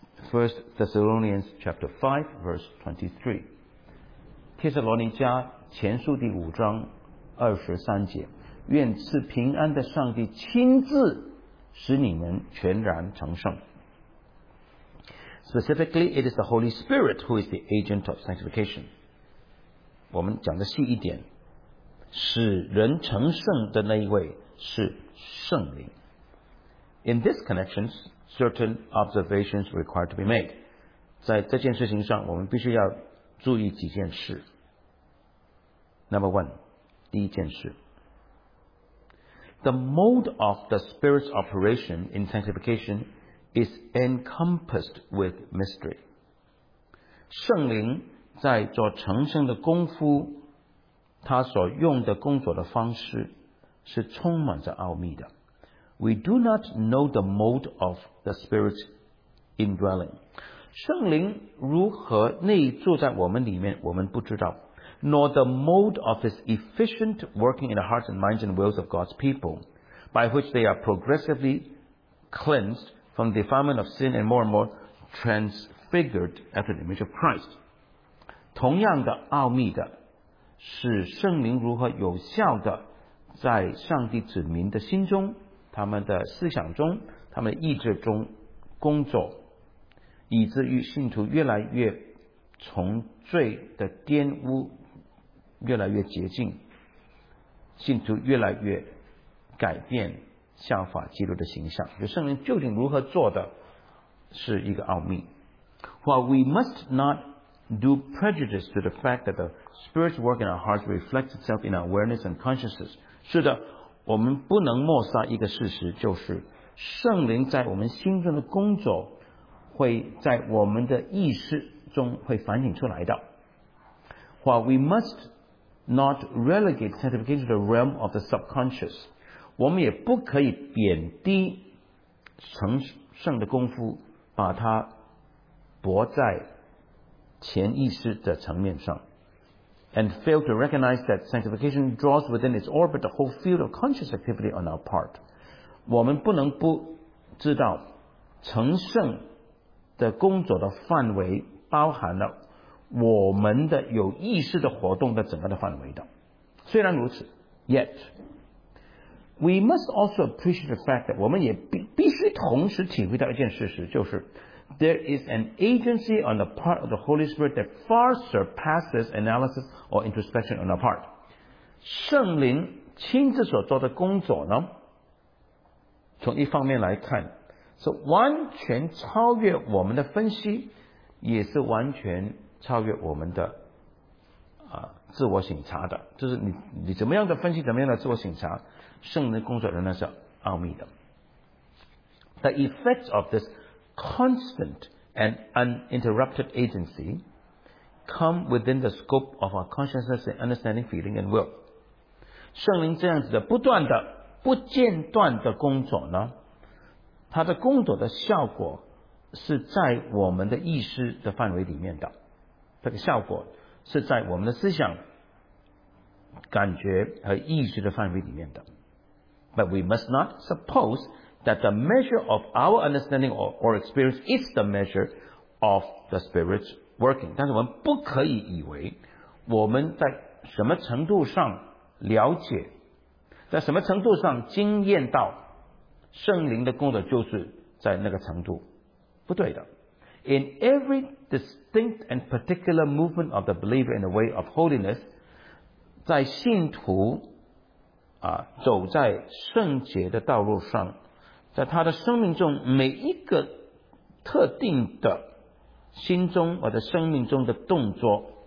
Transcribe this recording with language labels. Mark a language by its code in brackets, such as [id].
[en] First Thessalonians chapter 5 verse 23， [zh] 帖撒罗尼迦前书第五章二十三节，愿赐平安的上帝亲自使你们全然成圣。 [en] Specifically it is the Holy Spirit who is the agent of sanctification， [zh] 我们讲的细一点，使人成圣的那一位是圣灵。 [en] In this connection certain observations required to be made， [zh] 在这件事情上我们必须要注意几件事。 [en] Number one， [zh] 第一件事， [en] The mode of the Spirit's operation in sanctification is encompassed with mystery， [zh] 圣灵在做成圣的功夫，他所用的工作的方式是充满着奥秘的。 [en] We do not know the mode of the Spirit's indwelling， [zh] 圣灵如何内住在我们里面我们不知道， [en] nor the mode of his efficient working in the hearts and minds and wills of God's people， by which they are progressively cleansed from the defilement of sin and more and more transfigured after the image of Christ。 [zh] 同样的奥秘的是圣灵如何有效的在上帝子民的心中，他们的思想中，他们的意志中工作，以至于信徒越来越从罪的玷污越来越洁净，信徒越来越改变效法基督的形象。就圣灵究竟如何做的是一个奥秘。 [en] While we must not do prejudice to the fact that the Spirit's work in our hearts reflects itself in our awareness and consciousness， [zh] 是的，我们不能抹杀一个事实，就是圣灵在我们心中的工作会在我们的意识中会反映出来的。 [en] While we must not relegate sanctification to the realm of the subconscious. [zh] 我们也不可以贬低成圣的功夫，把它驳在潜意识的层面上。 [en] And fail to recognize that sanctification draws within its orbit the whole field of conscious activity on our part. [zh] 我们不能不知道成圣的工作的范围包含了我们的有意识的活动的整个的范围的。虽然如此 [en] ，yet we must also appreciate the fact that [zh] 我们也必须同时体会到一件事实，就是 [en] there is an agency on the part of the Holy Spirit that far surpasses analysis or introspection on our part. [zh] 圣灵亲自所做的工作呢，从一方面来看，是完全超越我们的分析，也是完全超越我们的自我省察的，就是 你怎么样的分析，怎么样的自我省察，圣灵工作仍然是奥秘的。 [en] The effects of this constant and uninterrupted agency come within the scope of our consciousness and understanding, feeling and will. [zh] 圣灵这样子的不断的、不间断的工作呢，它的工作的效果是在我们的意识的范围里面的。这个效果是在我们的思想、感觉和意识的范围里面的。 [en] But we must not suppose that the measure of our understanding or experience is the measure of the Spirit's working. [zh] 但是我们不可以以为我们在什么程度上了解，在什么程度上经验到圣灵的工作，就是在那个程度，不对的。 [en] In every distinct and particular movement of the believer in the way of holiness, [zh] 在信徒啊走在圣洁的道路上，在他的生命中每一个特定的心中或者生命中的动作，